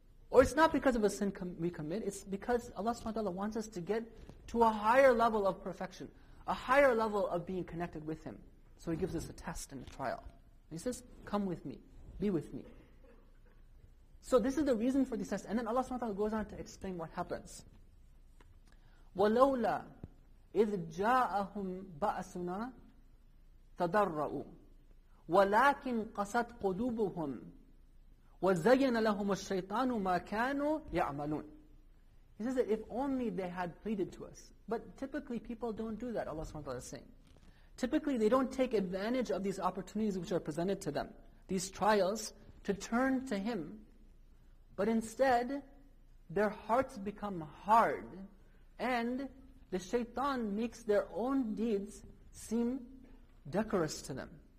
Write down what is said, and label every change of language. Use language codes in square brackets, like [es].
[en] Or it's not because of a sin we commit, it's because Allah subhanahu wa ta'ala wants us to get to a higher level of perfection, a higher level of being connected with Him. So He gives us a test and a trial. And He says, come with me, be with me. So this is the reason for this test. And then Allah subhanahu wa ta'ala goes on to explain what happens. [ar] وَلَوْلَا إِذْ جَاءَهُمْ بَأْسُنَا تَضَرَّعُوا وَلَكِنْ قَسَتْ قُلُوبُهُمْ وَزَيَّنَ لَهُمُ الشَّيْطَانُ مَا كَانُوا يَعْمَلُونَ. [en] He says that if only they had pleaded to us. But typically people don't do that, Allah subhanahu wa ta'ala is saying. Typically they don't take advantage of these opportunities which are presented to them, these trials, to turn to Him. But instead, their hearts become hard and the shaitan makes their own deeds seem decorous to them.